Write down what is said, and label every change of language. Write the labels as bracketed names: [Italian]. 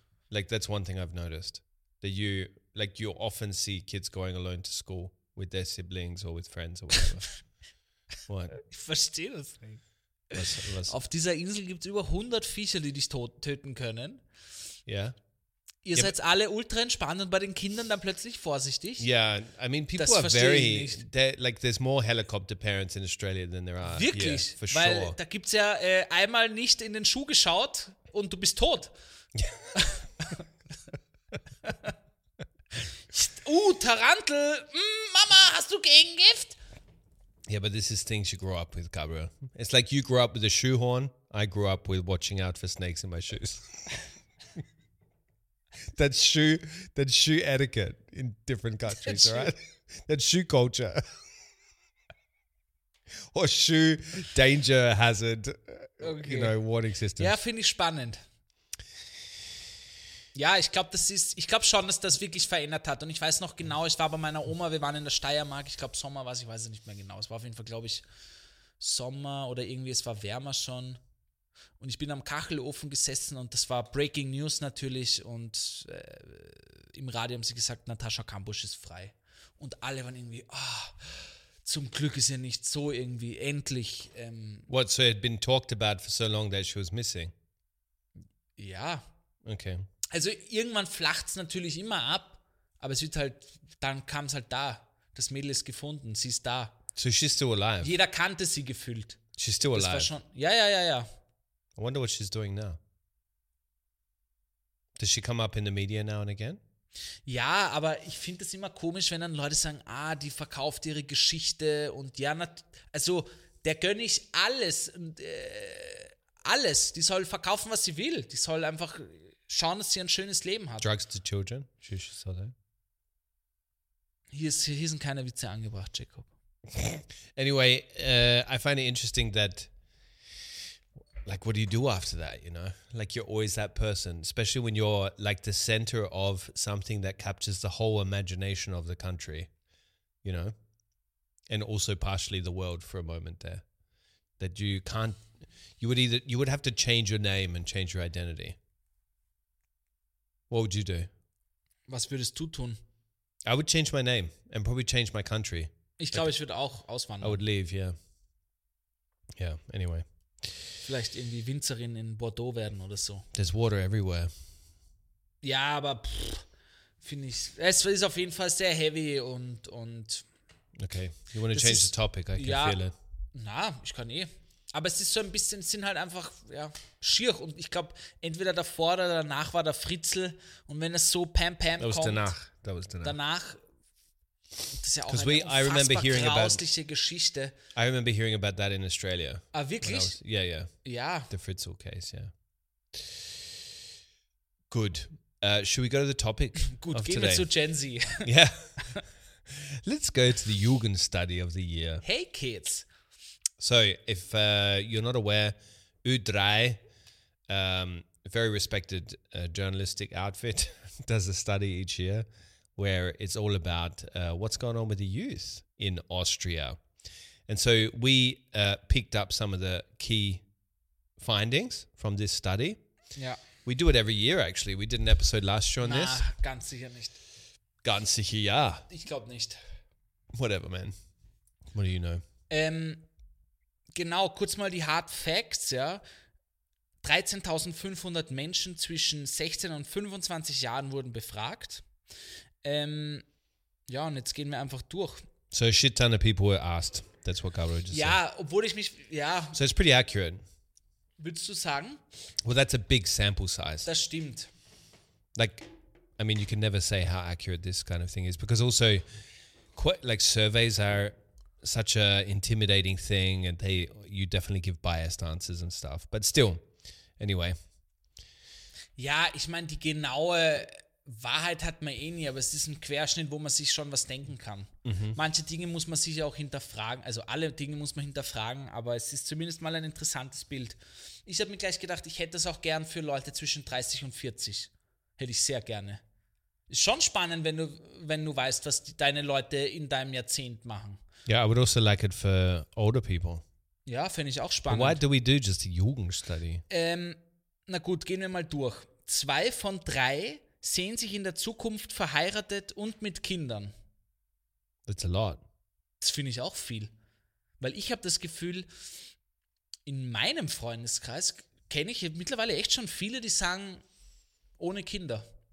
[English] Like that's one thing I've noticed, that you, like you often see kids going alone to school with their siblings or with friends or whatever. What? [German] Ich verstehe das nicht. Was? Auf dieser Insel gibt es über 100 Viecher, die dich töten können. Ja. [English] Yeah. [German] Ihr seid alle ultra entspannt und bei den Kindern dann plötzlich vorsichtig. [English] Ja, yeah, I mean, people das are very, like there's more helicopter parents in Australia than there are. [German] Wirklich? [English] Yeah, for sure. [German] Weil da gibt es ja einmal nicht in den Schuh geschaut und du bist tot. Tarantel, Mama, hast du Gegengift? [English] Yeah, but this is things you grow up with, Gabriel. It's like you grew up with a shoehorn. I grew up with watching out for snakes in my shoes. That's shoe etiquette in different countries, that's right? That's shoe culture. Or shoe danger hazard, okay. You know, warning system. [German] Ja, finde ich spannend. Ja, ich glaube, das ist, ich glaube schon, dass das wirklich verändert hat. Und ich weiß noch genau, ich war bei meiner Oma, wir waren in der Steiermark, ich glaube Sommer war es, ich weiß es nicht mehr genau. Es war auf jeden Fall, glaube ich, Sommer oder irgendwie, es war wärmer schon. Und ich bin am Kachelofen gesessen und das war Breaking News natürlich. Und im Radio haben sie gesagt, Natascha Kampusch ist frei. Und alle waren irgendwie, oh, zum Glück ist ja nicht so irgendwie, endlich. [English] What, so it had been talked about for so long that she was missing? [German] Ja. [English] Okay. [German] Also irgendwann flacht es natürlich immer ab, aber es wird halt, dann kam es halt da. Das Mädel ist gefunden, sie ist da. [English] So she's still alive? [German] Jeder kannte sie gefühlt. [English] She's still alive? [German] Das war schon, ja. [English] I wonder what she's doing now. Does she come up in the media now and again? [German] Ja, aber ich finde das immer komisch, wenn dann Leute sagen, ah, die verkauft ihre Geschichte und ja, also der gönne ich alles und alles. Die soll verkaufen, was sie will. Die soll einfach... schauen, dass sie ein schönes Leben hat. [English] Drugs to children? She should sell that. [German] Hier sind keine Witze angebracht, Jacob. [English] Anyway, I find it interesting that, like, what do you do after that, you know? Like, you're always that person, especially when you're, like, the center of something that captures the whole imagination of the country, you know? And also partially the world for a moment there. That you can't, you would have to change your name and change your identity. What would you do? [German] Was würdest du tun? [English] I would change my name and probably change my country. [German] Ich glaube, ich würde auch auswandern. [English] I would leave, yeah. Yeah, anyway. [German] Vielleicht irgendwie Winzerin in Bordeaux werden oder so. [English] There's water everywhere. [German] Ja, aber finde ich, es ist auf jeden Fall sehr heavy und [English] okay, you want to change the topic, I can feel it. [German] Na, ich kann eh. Aber es ist so ein bisschen, sind halt einfach, ja, schier. Und ich glaube, entweder davor oder danach war der Fritzl. Und wenn es so pam, pam [English] that was [German] kommt, [English] danach. That was danach. [German] Danach, das ist ja auch eine grausliche Geschichte. [English] I remember hearing about that in Australia. [German] Ah, wirklich? [English] Ja. The Fritzl case, yeah. Good. Should we go to the topic? [German] Gut, [English] of [German] gehen [English] today? [German] Wir zu Gen Z. [English] Yeah. Let's go to the Jugend study of the year. Hey, kids. So, if you're not aware, U3 very respected journalistic outfit does a study each year where it's all about what's going on with the youth in Austria. And so we picked up some of the key findings from this study. Yeah. We do it every year, actually. We did an episode last year on this. [German] Ganz sicher nicht. Ganz sicher, ja. Ich glaube nicht. [English] Whatever, man. What do you know? [German] Genau, kurz mal die Hard Facts, ja. 13.500 Menschen zwischen 16 und 25 Jahren wurden befragt. Ja, und jetzt gehen wir einfach durch. [English] So a shit ton of people were asked. That's what Gabriel just said. [German] Ja, obwohl ich mich, ja. [English] So it's pretty accurate. [German] Würdest du sagen? [English] Well, that's a big sample size. [German] Das stimmt. [English] Like, I mean, you can never say how accurate this kind of thing is, because also, quite, like, surveys are such an intimidating thing, and they, you definitely give biased answers and stuff. But still, anyway. [German] Ja, ich meine, die genaue Wahrheit hat man eh nie, aber es ist ein Querschnitt, wo man sich schon was denken kann. Mhm. Manche Dinge muss man sich auch hinterfragen, also alle Dinge muss man hinterfragen, aber es ist zumindest mal ein interessantes Bild. Ich habe mir gleich gedacht, ich hätte es auch gern für Leute zwischen 30 und 40. Hätte ich sehr gerne. Ist schon spannend, wenn du weißt, was die, deine Leute in deinem Jahrzehnt machen. [English] Ja, yeah, I would also like it for older people. [German] Ja, finde ich auch spannend. [English] But why do we do just a Jugendstudy? [German] Na gut, gehen wir mal durch. 2 von 3 sehen sich in der Zukunft verheiratet und mit Kindern. [English] That's a lot. [German] Das finde ich auch viel. Weil ich habe das Gefühl, in meinem Freundeskreis kenne ich mittlerweile echt schon viele, die sagen, ohne Kinder.